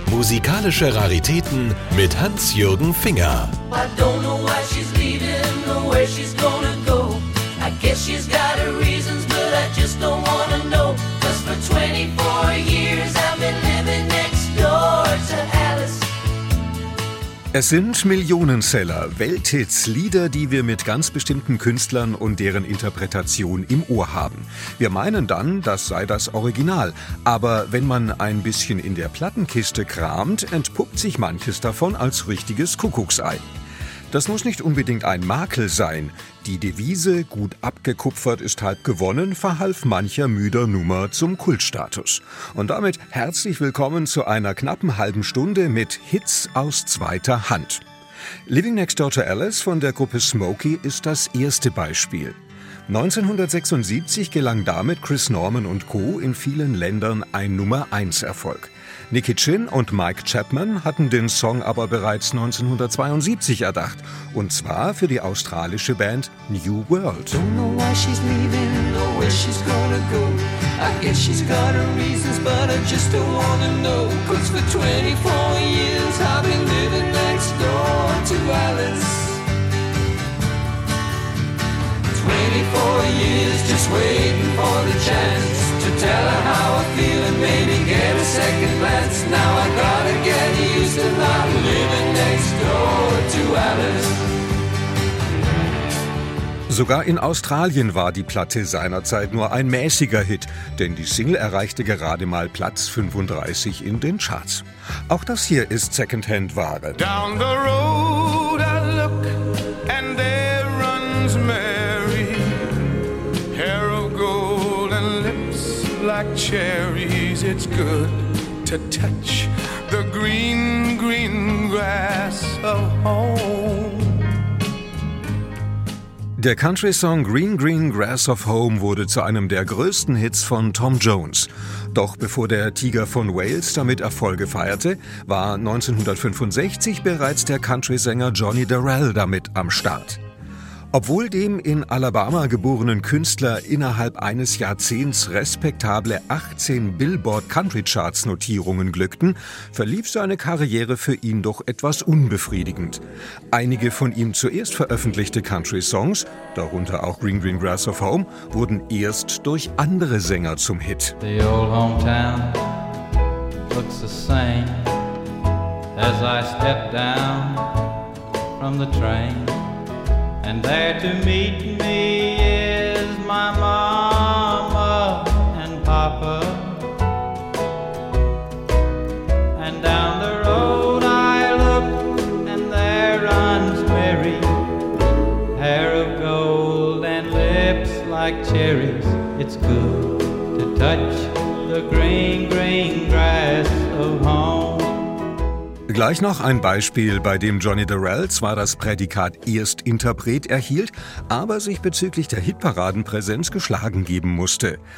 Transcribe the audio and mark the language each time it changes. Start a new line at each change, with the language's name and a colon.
German: Musikalische Raritäten mit Hans-Jürgen Finger.
English: I don't know why she's leaving or where she's gonna go. I guess she's got her reasons, but I just don't wanna know. 'Cause for 24 years I've been living next door to Alice.
German: Es sind Millionenseller, Welthits, Lieder, die wir mit ganz bestimmten Künstlern und deren Interpretation im Ohr haben. Wir meinen dann, das sei das Original. Aber wenn man ein bisschen in der Plattenkiste kramt, entpuppt sich manches davon als richtiges Kuckucksei. Das muss nicht unbedingt ein Makel sein. Die Devise, gut abgekupfert ist halb gewonnen, verhalf mancher müder Nummer zum Kultstatus. Und damit herzlich willkommen zu einer knappen halben Stunde mit Hits aus zweiter Hand. Living Next Door to Alice von der Gruppe Smokey ist das erste Beispiel. 1976 gelang damit Chris Norman und Co. in vielen Ländern ein Nummer-1-Erfolg. Nicky Chinn und Mike Chapman hatten den Song aber bereits 1972 erdacht. Und zwar für die australische Band New World.
English: Don't know why she's leaving or where she's gonna go. I guess she's got her reasons, but I just don't wanna know. 'Cause for 24 years I've been living next door to Alice. 24 years just waiting for the chance to tell her how I feel and maybe get a second glance. Now I gotta get used to not living next door to Alice.
German: Sogar in Australien war die Platte seinerzeit nur ein mäßiger Hit, denn die Single erreichte gerade mal Platz 35 in den Charts. Auch das hier ist Secondhand-Ware.
English: Down the road I look and there runs Mary. Hair of gold and lips like cherries. It's good to touch the green, green grass of home.
German: Der Country-Song Green Green Grass of Home wurde zu einem der größten Hits von Tom Jones. Doch bevor der Tiger von Wales damit Erfolge feierte, war 1965 bereits der Country-Sänger Johnny Darrell damit am Start. Obwohl dem in Alabama geborenen Künstler innerhalb eines Jahrzehnts respektable 18 Billboard-Country-Charts-Notierungen glückten, verlief seine Karriere für ihn doch etwas unbefriedigend. Einige von ihm zuerst veröffentlichte Country-Songs, darunter auch Green Green Grass of Home, wurden erst durch andere Sänger zum Hit.
English: The old hometown looks the same as I step down from the train. And there to meet me is my mama and papa. And down the road I look and there runs Mary. Hair of gold and lips like cherries. It's good to touch the green, green grass of home.
German: Gleich noch ein Beispiel, bei dem Johnny Darrell zwar das Prädikat Erstinterpret erhielt, aber sich bezüglich der Hitparadenpräsenz geschlagen geben musste.